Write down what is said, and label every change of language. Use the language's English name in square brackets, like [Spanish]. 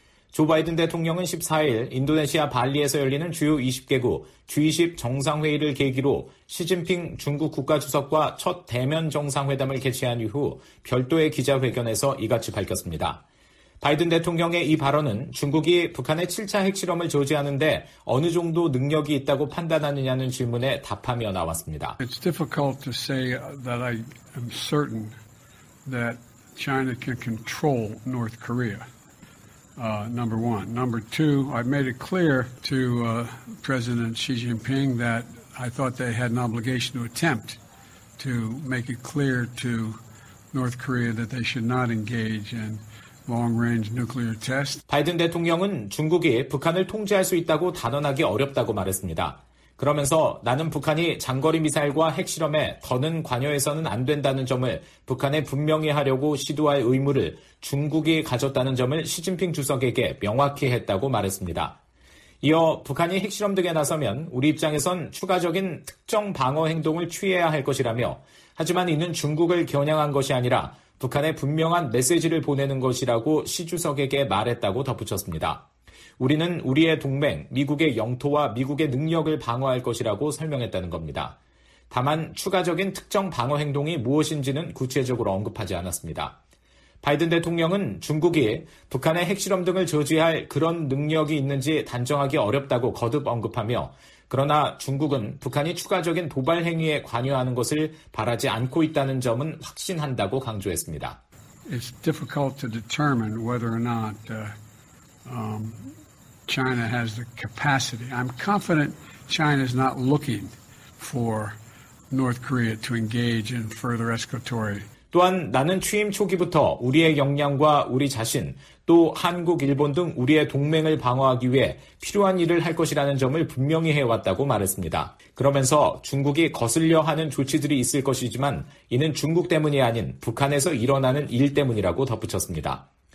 [Korean] 조 바이든 대통령은 14일 인도네시아 발리에서 열리는 주요 20개국 G20 정상회의를 계기로 시진핑 중국 국가주석과 첫 대면 정상회담을 개최한 이후 별도의 기자회견에서 이같이 밝혔습니다. 바이든 대통령의 이 발언은 중국이 북한의 7차 핵실험을 조지하는데 어느 정도 능력이 있다고 판단하느냐는 질문에 답하며 나왔습니다. [English] It's difficult to say that I am certain that China can control North Korea. Number one. Number two, I made it clear to President Xi Jinping that I thought they had an obligation to attempt to make it clear to North Korea that they should not engage in long-range nuclear test. [Korean] 바이든 대통령은 중국이 북한을 통제할 수 있다고 단언하기 어렵다고 말했습니다. 그러면서 나는 북한이 장거리 미사일과 핵실험에 더는 관여해서는 안 된다는 점을 북한에 분명히 하려고 시도할 의무를 중국이 가졌다는 점을 시진핑 주석에게 명확히 했다고 말했습니다. 이어 북한이 핵실험 등에 나서면 우리 입장에선 추가적인 특정 방어 행동을 취해야 할 것이라며 하지만 이는 중국을 겨냥한 것이 아니라 북한에 분명한 메시지를 보내는 것이라고 시 주석에게 말했다고 덧붙였습니다. 우리는 우리의 동맹, 미국의 영토와 미국의 능력을 방어할 것이라고 설명했다는 겁니다. 다만 추가적인 특정 방어 행동이 무엇인지는 구체적으로 언급하지 않았습니다. 바이든 대통령은 중국이 북한의 핵실험 등을 저지할 그런 능력이 있는지 단정하기 어렵다고 거듭 언급하며 그러나 중국은 북한이 추가적인 도발 행위에 관여하는 것을 바라지 않고 있다는 점은 확신한다고 강조했습니다. [English] It's difficult to determine whether or not China has the capacity. I'm confident China is not looking for North Korea to engage in further escalatory. [Korean] 또한 나는 취임 초기부터 우리의 역량과 우리 자신, 또 한국, 일본 등 우리의 동맹을 방어하기 위해 필요한 일을 할 것이라는 점을 분명히 해왔다고 말했습니다. 그러면서 중국이 거슬려 하는 조치들이 있을 것이지만 이는 중국 때문이 아닌 북한에서 일어나는 일 때문이라고 덧붙였습니다.